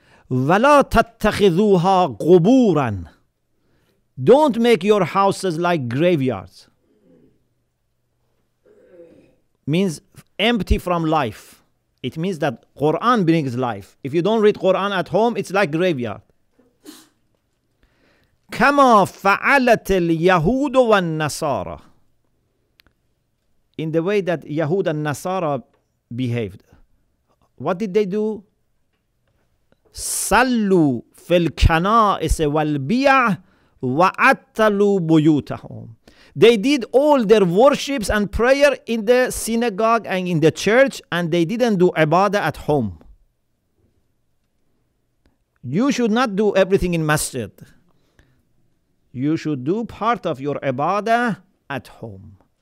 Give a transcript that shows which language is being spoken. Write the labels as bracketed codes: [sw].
[ar] وَلَا تَتَّخِذُوهَا قُبُورًا. [en] Don't make your houses like graveyards. Means empty from life. It means that Quran brings life. If you don't read Quran at home, it's like graveyard. [ar] كما فعلت اليهود والنصارى. [en] In the way that Yahud and Nasara behaved. What did they do? [ar] صلوا في الكنائس والبيع وعطلوا بيوتهم. [en] They did all their worships and prayer in the synagogue and in the church, and they didn't do ibadah at home. You should not do everything in masjid. You should do part of your ibadah at home.